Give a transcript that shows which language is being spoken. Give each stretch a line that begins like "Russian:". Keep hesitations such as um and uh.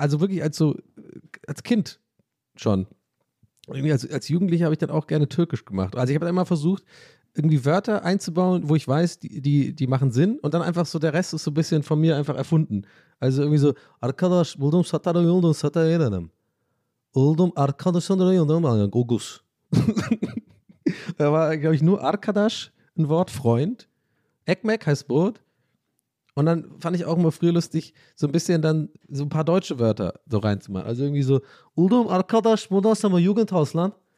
German: Also wirklich als so, als Kind schon. Und Irgendwie als, als Jugendlicher habe ich dann auch gerne Türkisch gemacht. Also ich habe dann immer versucht, irgendwie Wörter einzubauen, wo ich weiß, die, die, die machen Sinn und dann einfach so, der Rest ist so ein bisschen von mir einfach erfunden. Also irgendwie so,
Turkish: Arkadaş buldum satarım yoldum satarım. Oldum arkadaşın yoldum yani Gogus.
German: Da war, glaube ich, nur Arkadasch, ein Wort Freund. Ekmek heißt Brot. Und dann fand ich auch immer früher lustig, so ein bisschen dann so ein paar deutsche Wörter so reinzumachen. Also irgendwie so,
Turkish: Uldum Arkadasch Modasama
German: Jugendhausland.